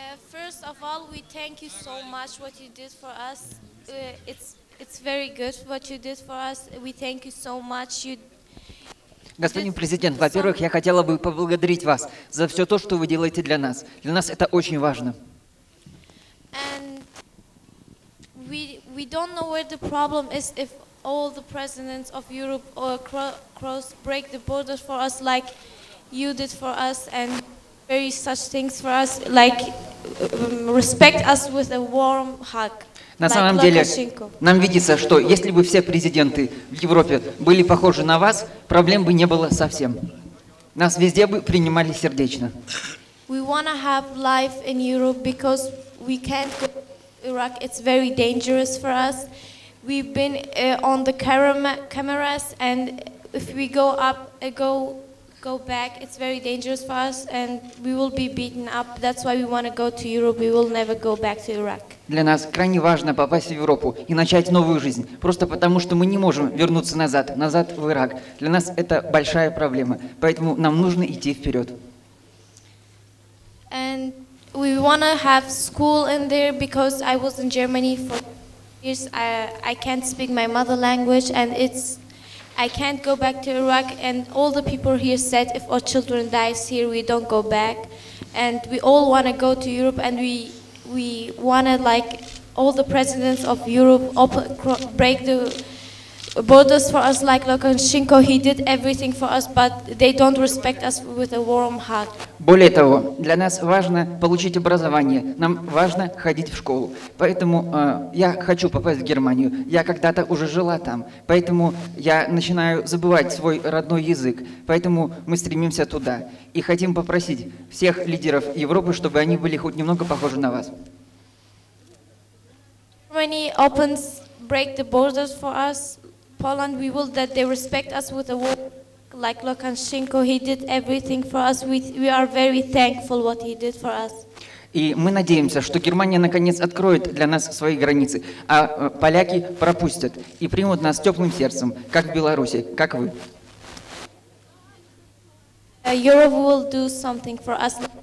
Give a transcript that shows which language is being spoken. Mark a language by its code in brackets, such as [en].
[en] First of all, we thank you so much what you did for us. It's very good what you did for us. We thank you so much. [ru] Господин президент, во-первых, я хотела бы поблагодарить вас за все то, что вы делаете для нас. Для нас это очень важно. [en] And we don't know where the problem is if all the presidents of Europe or cross break the borders for us like you did for us and very such things for us like respect us with a warm hug. [ru] На самом деле, нам видится, что если бы все президенты в Европе были похожи на вас, проблем бы не было совсем. Нас везде бы принимали сердечно. [en] We want to have life in Europe because we can't go to Iraq. It's very dangerous for us. We've been on the cameras, and if we go up, go back, it's very dangerous for us, and we will be beaten up. That's why we want to go to Europe. We will never go back to Iraq. [ru] Для нас крайне важно попасть в Европу и начать новую жизнь, просто потому что мы не можем вернуться назад в Ирак. Для нас это большая проблема, поэтому нам нужно идти вперед. [en] And we want to have school in there because I was in Germany for years. I can't speak my mother language, and I can't go back to Iraq. And all the people here said, if our children dies here, we don't go back. And we all want to go to Europe, and we want to, like all the presidents of Europe, break the borders for us, like Lukashenko. He did everything for us, but they don't respect us with a warm hug. [ru] Более того, для нас важно получить образование. Нам важно ходить в школу. Поэтому я хочу попасть в Германию. Я когда-то уже жила там. Поэтому я начинаю забывать свой родной язык. Поэтому мы стремимся туда. И хотим попросить всех лидеров Европы, чтобы они были хоть немного похожи на вас. [en] Germany opens, break the borders for us. Poland, we will that they respect us with a word like Lukashenko. He did everything for us. We are very thankful what he did for us. [ru] И мы надеемся, что Германия наконец откроет для нас свои границы, а поляки пропустят и примут нас теплым сердцем, как в Беларуси, как вы. [en] Europe will do something for us.